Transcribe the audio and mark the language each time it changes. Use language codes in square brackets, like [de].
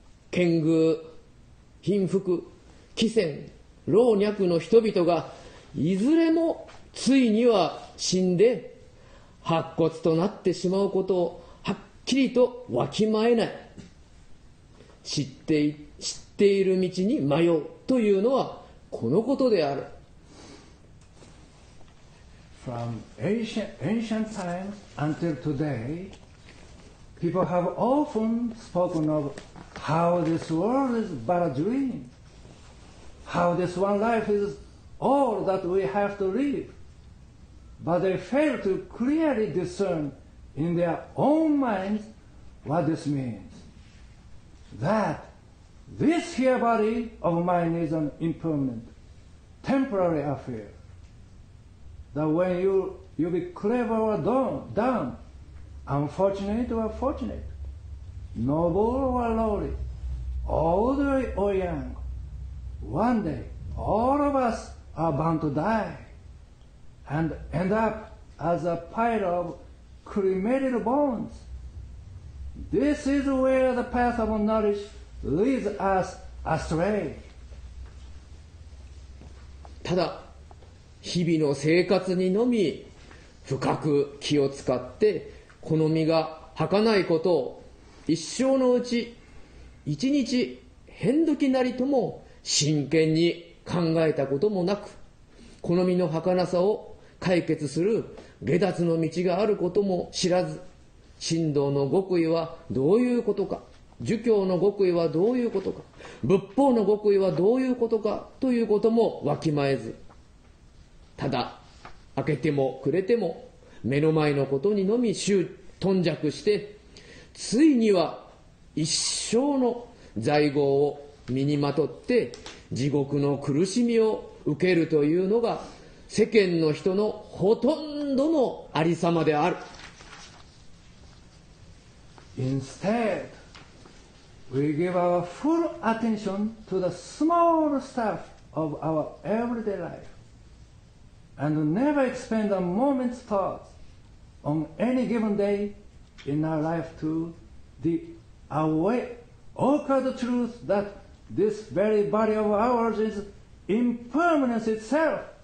[ja] 剣具貧富貴賤老若の人々がいずれもついには死んで白骨となってしまうことをはっきりとわきまえない。知っている道に迷うというのはこのことである。 [en] From ancient times until today, people have often spoken of how this world is but a dream, how this one life is all that we have to live. But they fail to clearly discern in their own minds what this means. That this here body of mine is an impermanent, temporary affair. That when you be clever or dumb, unfortunate or fortunate, noble or lowly, old or young, one day all of us are bound to die. And end up as a pile of cremated bones. This is where the path of knowledge leads us astray. [ja] ただ日々の生活にのみ深く気を使ってこの実が儚いことを一生のうち一日変時なりとも真剣に考えたこともなく、この身の儚さを解決する解脱の道があることも知らず、神道の極意はどういうことか、儒教の極意はどういうことか、仏法の極意はどういうことかということもわきまえず、ただ開けても暮れても目の前のことにのみ頓着して、ついには一生の罪業を身にまとって地獄の苦しみを受けるというのが世間の人のほとんどのありさまである。 [en] Instead, we give our full attention to the small stuff of our everyday life and never expend a moment's thought on any given day in our life to the awakened truth thatThis very body of ours is impermanence itself.